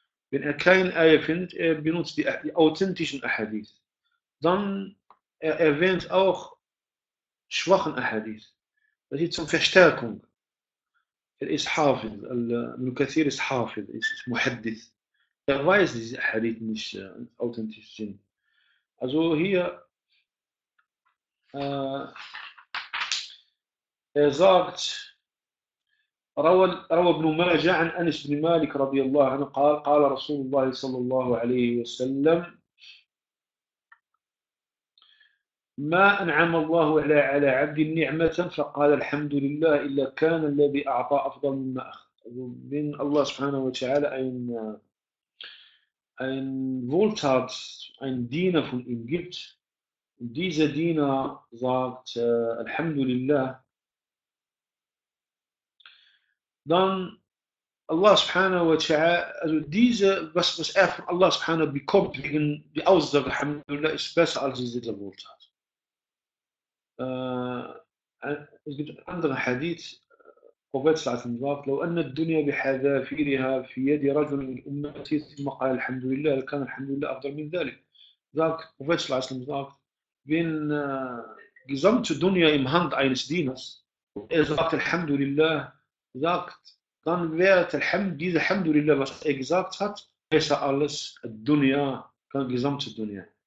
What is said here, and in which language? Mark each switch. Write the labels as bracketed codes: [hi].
[de] Wenn er keine Ayah findet, er benutzt die authentischen Ahadith. Dann er erwähnt auch schwachen Ahadith. Das ist zur Verstärkung. Er ist Hafiz, Ibn Kathir ist Hafiz, ist Muhaddith. Er weiß, dass diese Ahadith nicht authentisch sind. Also hier, er sagt, [ar] Rawa ibn Majah an Anas ibn Malik radiallahu anhu, قال رسول الله صلى الله عليه وسلم: ما أنعم الله على عبد نعمة فقال الحمد لله إلا كان الذي أعطى أفضل مما أخذ. من الله سبحانه وتعالى [de] ein Wohltat, ein Diener von ihm gibt. Dieser Diener sagt الحمد لله. Dann Allah سبحانه وتعالى, also diese, was er von Allah سبحانه bekommt wegen die Aussage الحمد لله, ist besser als diese Wohltat. Es gibt einen anderen Hadith, Prophet sagt, [ar] لو أن الدنيا بحذافيرها في يد رجل من أمتي ثم قال الحمد لله كان الحمد لله أفضل من ذلك. [de] Sagt Prophet sagt, wenn die gesamte Dunya im Hand eines Dieners, er sagt الحمد لله, sagt, dann wird dieser الحمد لله, was er gesagt hat, besser als الدنيا, die gesamte Dunya.